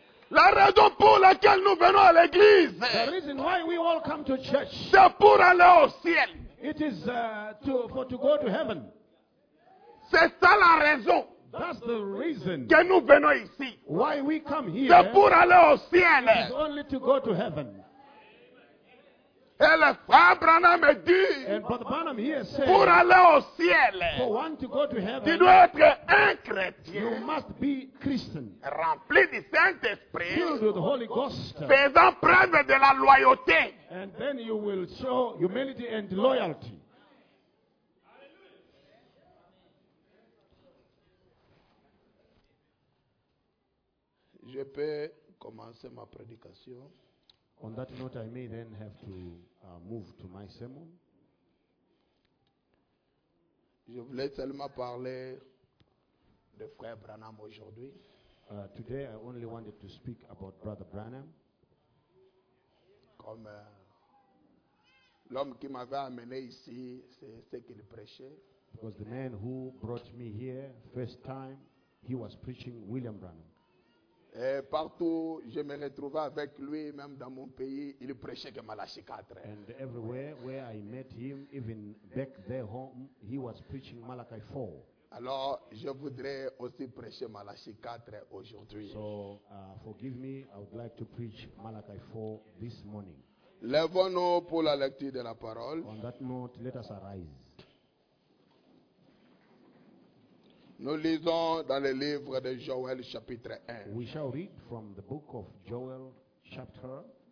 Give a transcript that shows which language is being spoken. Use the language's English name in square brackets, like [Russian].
[French] La raison pour laquelle nous venons à l'église. [English] The reason why we all come to church. [French] C'est pour aller au ciel. [English] It is to go to heaven. [French] C'est ça la raison. [English] That's the reason. [French] Que nous venons ici. [English] Why we come here. [French] C'est pour aller au ciel. [English] It is only to go to heaven. [French] Et le frère Branham dit. [English] And Brother Branham here said. [French] Pour aller au ciel. [English] For one to go to heaven. [French] Tu dois être un chrétien. [English] You must be Christian. [French] Rempli du Saint-Esprit. [English] Filled with the Holy Ghost. [French] Faisant preuve de la loyauté. [English] And then you will show humility and loyalty. [French] Je peux commencer ma prédication. [English] On that note, I may then have to move to my sermon. [French] Je voulais seulement parler de Frère Branham aujourd'hui. [English] Today, I only wanted to speak about Brother Branham. [French] Comme l'homme qui m'avait amené ici, c'est ce qu'il prêchait. [English] Because the man who brought me here, first time, he was preaching William Branham. [French] Et partout, je me retrouvais avec lui, même dans mon pays, il prêchait que Malachi 4. [English] And everywhere where I met him, even back there home, he was preaching Malachi 4. [French] Alors, je voudrais aussi prêcher Malachi 4 aujourd'hui. [English] So, forgive me, I would like to preach Malachi 4 this morning. [French] Lèvons-nous pour la lecture de la parole. [English] On that note, let us arise. [French] Nous lisons dans le livre de Joël, chapitre 1. [English] We shall read from the book of Joel, chapter.